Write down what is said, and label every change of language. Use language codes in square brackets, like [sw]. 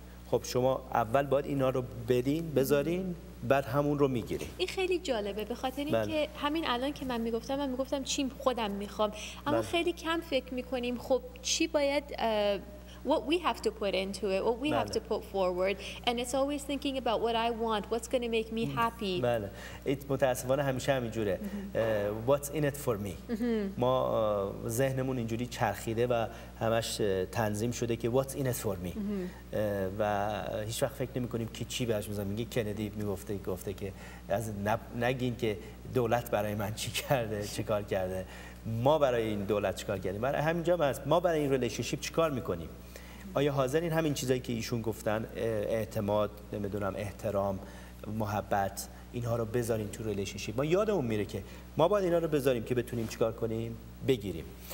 [fa] خب شما اول باید اینا رو بدین، بذارین، بعد همون رو میگیری. این خیلی جالبه به خاطر اینکه همین الان که من میگفتم چی خودم میخوام، اما من. خیلی کم فکر میکنیم خب چی باید [en] what we have to put into it, what we have to put forward, and it's always thinking about what I want, what's going to make me happy. [fa] بله، متاسفانه همیشه همینجوره. [en] What's in it for me? [fa] ما ذهنمون اینجوری چرخیده و همش تنظیم شده که [en] what's in it for me. [fa] و هیچ وقت فکر نمی‌کنیم که چی بهش می‌ذارم. میگه کندی میگفته، گفته که از نگین که دولت برای من چی کرده، چی کار کرده، ما برای این دولت چیکار کردیم؟ برای همینجا هست، ما برای این ریلیشنشیپ چیکار میکنیم؟ آیا حاضرین همین چیزایی که ایشون گفتن، اعتماد، نمیدونم احترام، محبت، اینها رو بذارین تو ریلیشنشیپ؟ ما یادمون میره که ما باید اینها رو بذاریم که بتونیم چیکار کنیم، بگیریم.